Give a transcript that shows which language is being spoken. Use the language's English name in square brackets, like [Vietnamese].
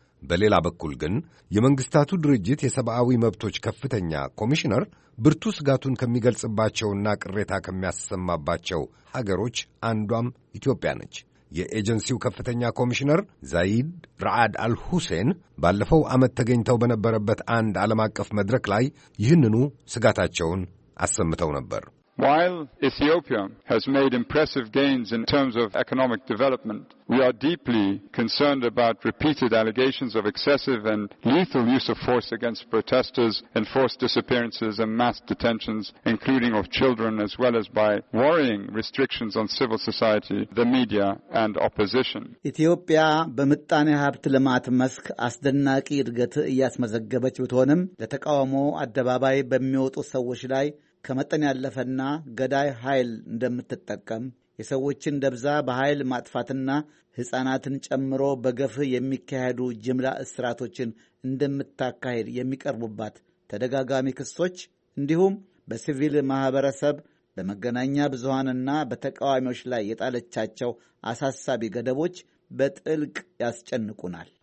[Amharic] በሌላ በኩል ግን የመንግስታቱ ድርጅት የሰብአዊ መብቶች ከፍተኛ ኮሚሽነር ብርቱ ስጋቱን ከሚገልጽባቸውና ቅሬታ ከሚያሰማባቸው ሀገሮች አንዷም ኢትዮጵያ ነች። የኤጀንሲው ከፍተኛ ኮሚሽነር ዛይድ ራአድ አልሁሴን ባለፈው ዓመት ተገኝተው በነበረበት አንድ ዓለም አቀፍ መድረክ ላይ ይህንኑ ስጋታቸውን አሰምተው ነበር። [English] While Ethiopia has made impressive gains in terms of economic development, we are deeply concerned about repeated allegations of excessive and lethal use of force against protesters, enforced disappearances and mass detentions, including of children, as well as by worrying restrictions on civil society, the media and opposition. [Amharic] Ethiopia በመጣኔ ሀብት ልማት መስክ አስደናቂ እድገት እያስመዘገበች ብትሆንም ለተቃውሞ አደባባይ በሚወጡ ሰዎች ላይ ከመጠን ያለፈና ገዳይ ኃይል እንደምትጠቀም፣ የሰዎችን ደብዛ በኃይል ማጥፋትና ሕፃናትን ጨምሮ በገፍ የሚካሄዱ ጅምላ እስራቶችን እንደምታካሄድ የሚቀርቡባት ተደጋጋሚ ክሶች፣ እንዲሁም በሲቪል ማኅበረሰብ በመገናኛ ብዙሃንና በተቃዋሚዎች ላይ የጣለቻቸው አሳሳቢ ገደቦች በጥልቅ ያስጨንቁናል።